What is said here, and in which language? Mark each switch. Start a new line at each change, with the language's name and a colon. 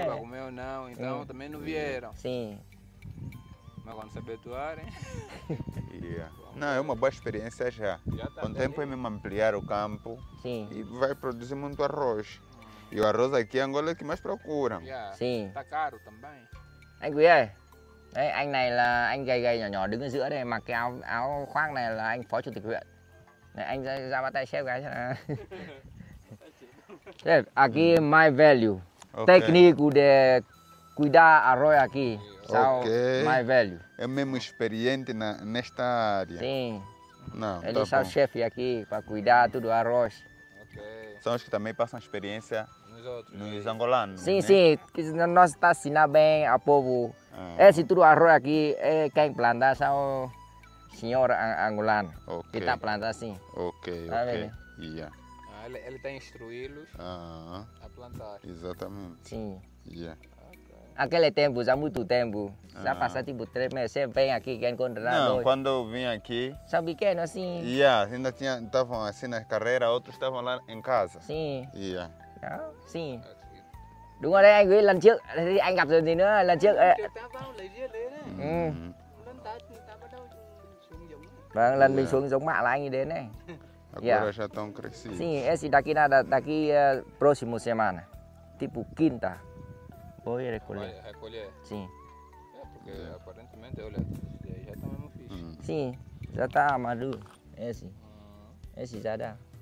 Portuguese: Não dá para comer ou não, então sim, também não vieram. Sim. Mas vamos se habituar, hein?
English: Yeah.
Portuguese: Não, é uma boa experiência já. Tá com o tempo é mesmo ampliar o campo. Sim. E vai produzir muito arroz. E o arroz aqui em Angola é o que mais procura.
English: Yeah.
Portuguese: Sim. Está caro também.
Vietnamese: Anh Quý ơi. Đấy, anh này là anh gầy gầy nhỏ nhỏ đứng ở giữa đây mặc cái áo khoác này là anh phó chủ tịch huyện. Đấy, anh ra bắt tay xếp cái cho nó.
English: Aqui my value. Okay.
Portuguese: Técnico de cuidar arroz aqui.
English: Ok. My value.
Portuguese: É mesmo experiente nesta área. Sim. Não, ele tá é o chefe aqui para cuidar tudo arroz.
English: Ok.
Portuguese: São os que também passam experiência nos outros. Nos angolanos. Sim, né? Sim. Que nós estamos tá ensinando bem ao povo. Ah. Esse tudo arroz aqui é quem planta, só o senhor angolano,
English: okay,
Portuguese: que está plantando assim.
English: Ok,
Portuguese: tá
English: ok. Yeah.
Portuguese: Ah, ele está instruí-los a plantar. Exatamente. Sim.
English: Yeah. Okay.
Portuguese: Aquele tempo, já muito tempo, já passa tipo 3 meses, você vem aqui, quer encontrar não, dois. Quando eu vim aqui... São pequenos assim. Yeah, ainda estavam assim nas carreiras, outros estavam lá em casa. Sim.
English: Yeah.
Portuguese: Ah, sim.
Vietnamese: Đúng rồi đấy anh Quý, lần trước thì anh gặp rồi gì nữa lần trước ta vào lấy rìa lấy đấy. Ừ. Lần ta thì ta bắt đầu xuống giống. Vâng, lần mình xuống giống mạ là anh ấy đến đấy.
Portuguese: Agora yeah, já estão crescidos. Sim, esse daqui nada daqui próximo semana. Tipo quinta. Vou ir recolher. Vai recolher? Sim. É, porque aparentemente, olha, já está mesmo fixe. Sim, já está maduro. Esse. Esse já dá.